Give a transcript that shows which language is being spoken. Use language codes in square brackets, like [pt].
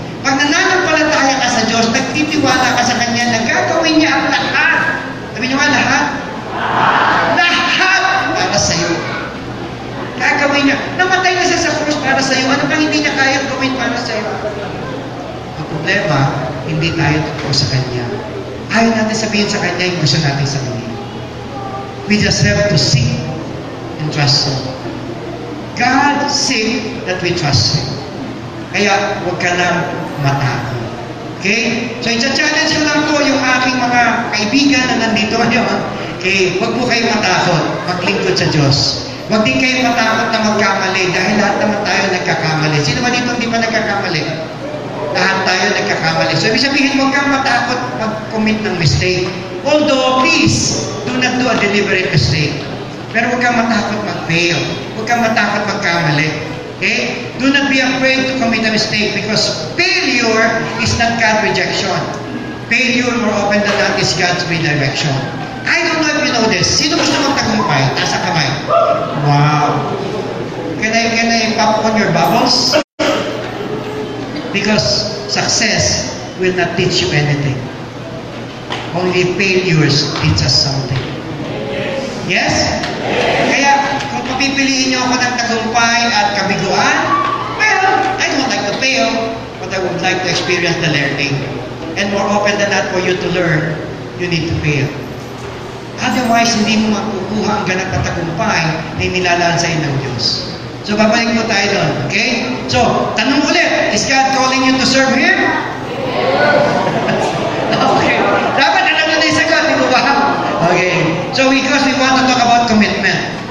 [tl] Pag nananampalataya ka sa Diyos, nagtitiwala ka sa Kanya, nagkagawin niya ang lahat. Sabi niyo ba, lahat? Para sa'yo. Gagawin niya. Namatay na siya sa cross para sa'yo. Ano pang hindi niya kaya gawin para sa'yo? Ang problema, hindi tayo tutok sa Kanya. Ayaw natin sabihin sa Kanya yung gusto natin sabihin. [en] We just have to seek and trust Him. God seek that we trust Him. [tl] Kaya, huwag ka lang matago. [en] Okay? [tl] So, i-challenge yun lang po yung aking mga kaibigan na nandito. Ano, okay? Huwag po kayo matakot. Maglingkod sa Diyos. Huwag din kayo matakot na magkamali dahil lahat naman tayo nagkakamali. Sino ba dito hindi pa nagkakamali? Lahat tayo nagkakamali. So, ibig sabihin, huwag kang matakot mag-commit ng mistake. [en] Although, please, do not do a deliberate mistake. [tl] Pero huwag kang matakot mag-fail. Huwag kang matakot magkamali. [en] Okay? Do not be afraid to commit a mistake because failure is not God's rejection. Failure, more often than not, is God's redirection. I don't know if you know this. [tl] Sino gusto magtagumpay? Nasa kamay. [en] Wow. Can I pop on your bubbles? Because success will not teach you anything. Only failures teach us something. Yes? [tl] Kaya, kung pipiliin niyo ako ng tagumpay at kabiguan, [en] well, I don't like to fail, but I would like to experience the learning. And more often than not, for you to learn, you need to fail. [tl] Otherwise, hindi mo makukuha ang ganap na tagumpay na inilalaan sa inyong Diyos. So, babalik mo tayo doon. Okay? So, tanong ulit, [en] is God calling you to serve Him? [tl] Yes. Okay. Dapat alam na na yung sagot, di ba? Okay. [en] So, because we want to talk about commitment.